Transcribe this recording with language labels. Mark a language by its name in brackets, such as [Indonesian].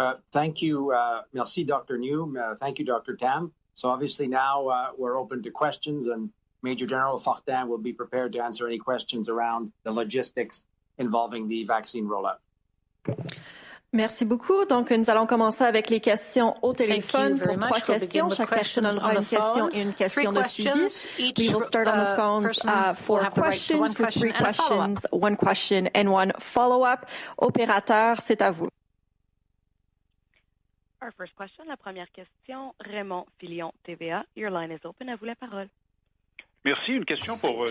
[English] Thank you. [French] Merci, Dr. New. [English] Thank you, Dr. Tam. So obviously now we're open to questions, and Major General Fortin will be prepared to answer any questions around the logistics involving the vaccine rollout. [French] Merci beaucoup. Donc, nous allons commencer avec les questions au téléphone pour trois [English] we'll [French] questions. Chaque question aura une question et une question de suivi. [English] We will start on the phone for questions, right, three questions, one question and one follow-up. [French] Opérateur, c'est à vous. [English] Our first question, [French] la première question, [English] Raymond Filion, TVA. Your line is open. [French] À vous la parole. Merci. Une question pour